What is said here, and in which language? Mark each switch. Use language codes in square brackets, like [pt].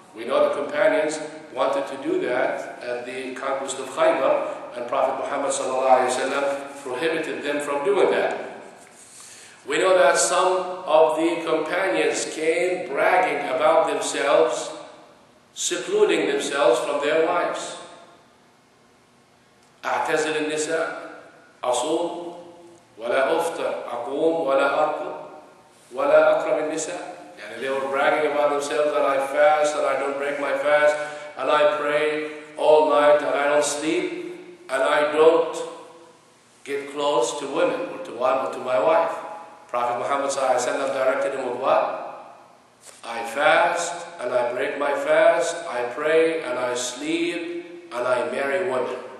[en] We know the companions wanted to do that at the conquest of Khaybar, and Prophet Muhammad sallallahu alaihi wasallam prohibited them from doing that. We know that some of the companions came bragging about themselves, secluding themselves from their wives. [ar] اعتزل النساء أصوم ولا أفطر أقوم ولا أرقد ولا أقرب النساء. [en] And they were bragging about themselves that I fast and I don't break my fast and I pray all night and I don't sleep and I don't get close to women or to one or to my wife. Prophet Muhammad sallallahu alaihi wasallam directed him with what? I fast and I break my fast, I pray and I sleep and I marry women.